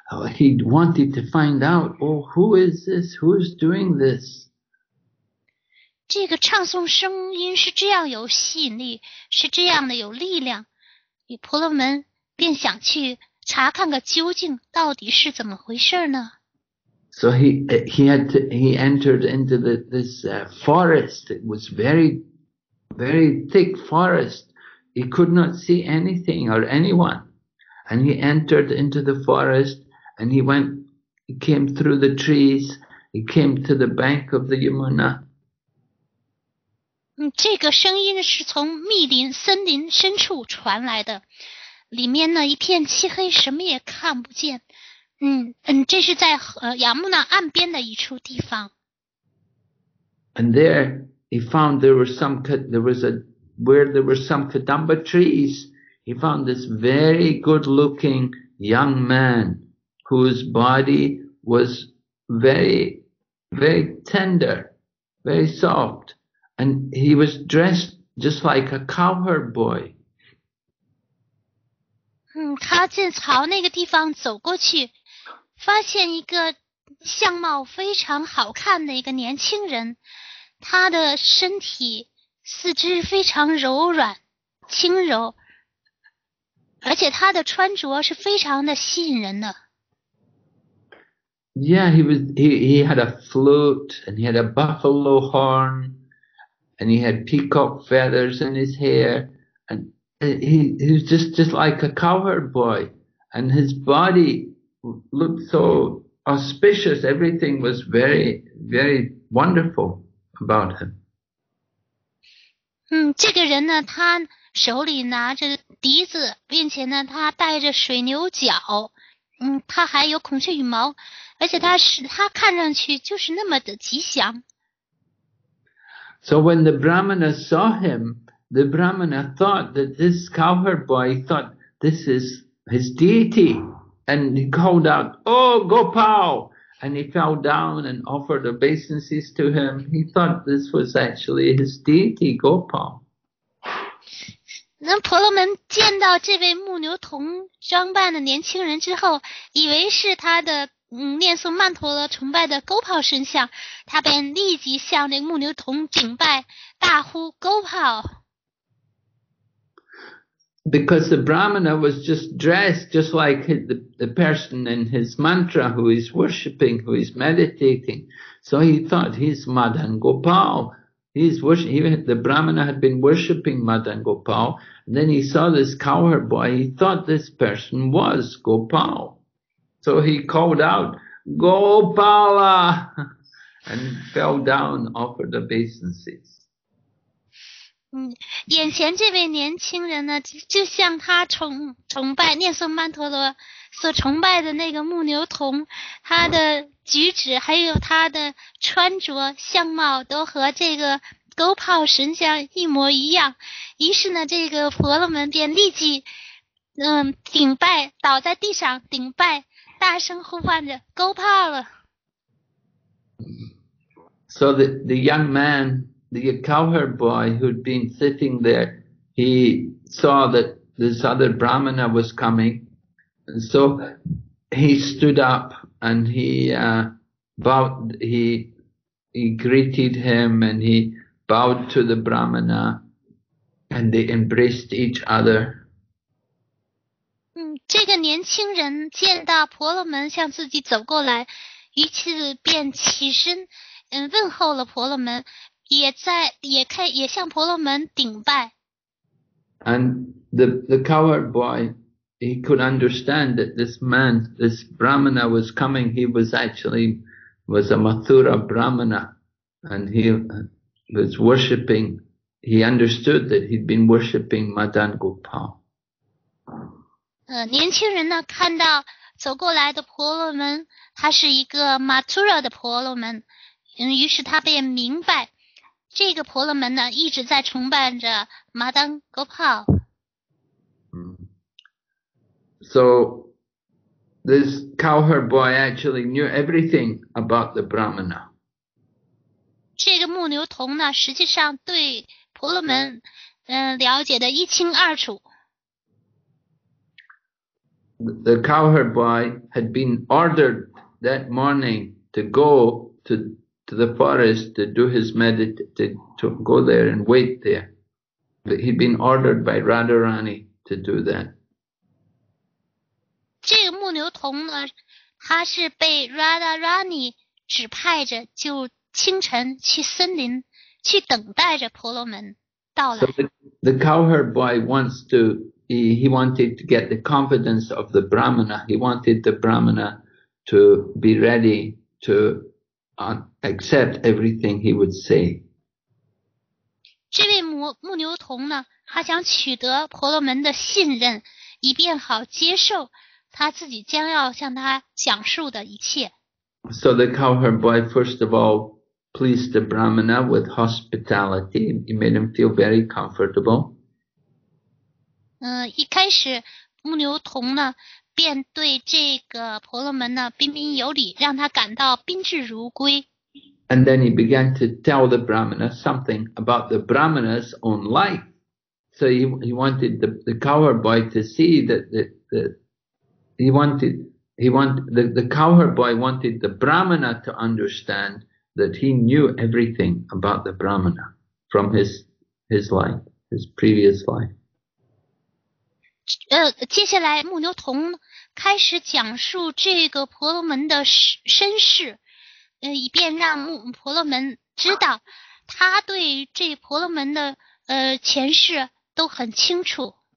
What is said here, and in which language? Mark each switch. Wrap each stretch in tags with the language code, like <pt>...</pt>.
<en>He wanted to find out, oh, who is this? Who is doing this?</en> <zh>这个唱诵声音是这样有吸引力，是这样的有力量，与婆罗门便想去查看个究竟，到底是怎么回事呢？</zh> <en>So he entered into this forest. It was very, very thick forest. He could not see anything or anyone. And he entered into the forest and he came through the trees. He came to the bank of the Yamuna.</en> <zh>这个声音是从密林森林深处传来的，里面呢一片漆黑，什么也看不见。这是在亚木纳岸边的一处地方。</zh> <en>And there he found there were some kadamba trees. He found this very good-looking young man whose body was very, very tender, very soft. And he was dressed just like a cowherd boy.</en> <zh>他正朝那个地方走过去，发现一个相貌非常好看的一个年轻人，他的身体四肢非常柔软轻柔，而且他的穿着是非常的吸引人的。</zh> <en>Yeah, he had a flute and he had a buffalo horn. And he had peacock feathers in his hair, and he was just like a cowherd boy, and his body looked so auspicious. Everything was very, very wonderful about him.</en> <zh>这个人呢，他手里拿着笛子，并且呢，他带着水牛角，他还有孔雀羽毛，而且他看上去就是那么的吉祥。</zh> <en>So when the Brahmana saw him, the Brahmana thought that this cowherd boy thought this is his deity. And he called out, Oh, Gopal! And he fell down and offered obeisances to him. He thought this was actually his deity, Gopal.</en> <zh>那婆罗门见到这位牧牛童装扮的年轻人之后，以为是他的念诵曼陀罗崇拜的 Gopal 神像，他便立即向那个牧牛童敬拜，大呼 Gopal。</zh> <en>Because the Brahmana was just dressed just like the person in his mantra who is worshipping, who is meditating, so he thought he's Madan Gopal. The Brahmana had been worshipping Madan Gopal, and then he saw this cowherd boy, he thought this person was Gopal. So he called out, Gopala, and fell down, offered obeisances.</en> <zh>眼前这位年轻人呢，就像他崇拜念诵曼陀罗所崇拜的那个牧牛童，他的举止还有他的穿着相貌都和这个 Gopala 神像一模一样。于是呢，这个婆罗门便立即，顶拜，倒在地上顶拜。大声呼唤着 Gopal 了。</zh> <en>So the young man, the cowherd boy who'd been sitting there, he saw that this other Brahmana was coming, and so he stood up and he greeted him and he bowed to the Brahmana, and they embraced each other.</en> <zh>这个年轻人见到婆罗门向自己走过来，于是便起身，问候了婆罗门，也向婆罗门顶拜。</zh> <en>And the cowherd boy, he could understand that this man, this Brahmana was coming. He was actually was a Mathura Brahmana, and he was worshipping. He understood that he'd been worshipping Madan Gopal.</en> <zh>年轻人呢看到走过来的婆罗门，他是一个 Mathura 的婆罗门，于是他便明白这个婆罗门呢一直在崇拜着 Madan Gopal。</zh> <en>So this cowherd boy actually knew everything about the Brahmana.</en> <zh>这个牧牛童呢实际上对婆罗门了解的一清二楚。</zh> <en>The cowherd boy had been ordered that morning to go to the forest to do his meditation, to go there and wait there. But he'd been ordered by Radharani to do that.</en> <zh>这个牧牛童呢，他是被 Radharani 指派着，就清晨去森林去等待着婆罗门到来。</zh> <en>So the cowherd boy wants to, he wanted to get the confidence of the Brahmana. He wanted the Brahmana to be ready to accept everything he would say.</en> <zh>这位牧牛童呢，他想取得婆罗门的信任，以便好接受他自己将要向他讲述的一切。</zh> <en>So the cowherd boy first of all pleased the Brahmana with hospitality. He made him feel very comfortable.</en> <zh>一开始牧牛童呢便对这个婆罗门呢彬彬有礼，让他感到宾至如归。</zh> <en>And then he began to tell the Brahmana something about the Brahmana's own life. So he wanted the cowherd boy to see the cowherd boy wanted the Brahmana to understand that he knew everything about the Brahmana from his life, his previous life.</en> <zh>接下来牧牛童开始讲述这个婆罗门的身世，以便让婆罗门知道他对这婆罗门的前世都很清楚。</zh>